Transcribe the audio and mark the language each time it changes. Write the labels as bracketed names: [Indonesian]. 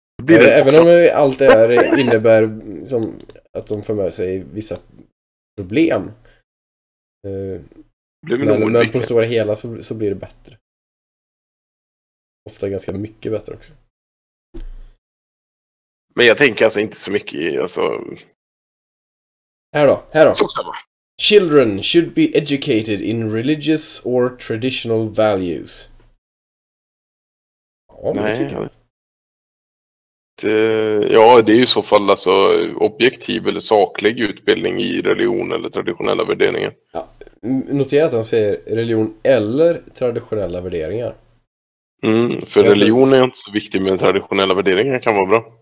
[Swedish] Även om allt det här innebär som att de för med sig vissa problem. Men på stora hela så blir det bättre. Ofta ganska mycket bättre också. Men jag tänker alltså inte så mycket. Alltså... Här då. [English] Children should be educated in religious or traditional values. [Swedish] Det är ju i så fall alltså objektiv eller saklig utbildning i religion eller traditionella värderingar. Ja, notera att han säger religion eller traditionella värderingar. För religion är inte så viktig, men traditionella värderingar kan vara bra.